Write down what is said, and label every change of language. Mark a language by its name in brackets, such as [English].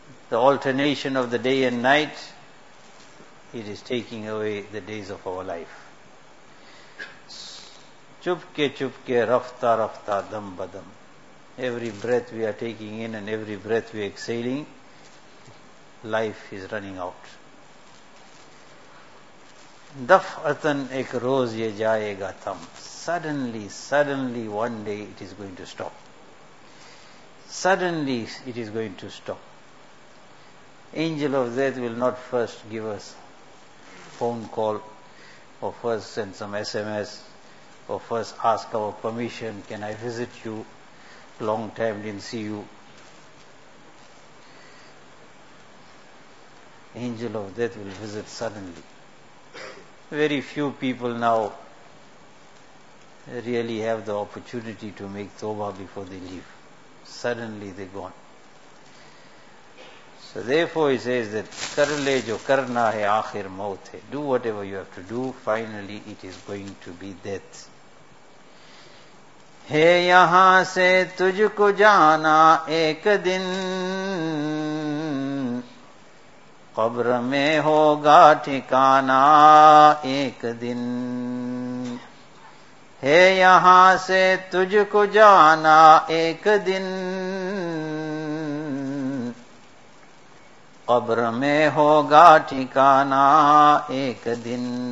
[English] The alternation of the day and night, it is taking away the days of our life. [Urdu] Chupke chupke rafta rafta dam badam. [English] Every breath we are taking in and every breath we are exhaling, life is running out. [Urdu] دفعتن ایک روز یہ جائے گا تم. [English] Suddenly one day it is going to stop. Suddenly it is going to stop. Angel of death will not first give us phone call, or first send some SMS, or first ask our permission, can I visit you? Long time didn't see you. Angel of death will visit suddenly. Very few people now really have the opportunity to make Tawbah before they leave. Suddenly they're gone. So therefore he says that [Urdu] kar le jo karna hai aakhir maut hai. [English] Do whatever you have to do, finally it is going to be death. [Urdu] Hey, yahan se tujhko jana ek din, قبر میں ہوگا ٹھکانہ ایک دن. ہے یہاں سے تجھ کو جانا ایک دن, قبر میں ہوگا ٹھکانہ ایک دن.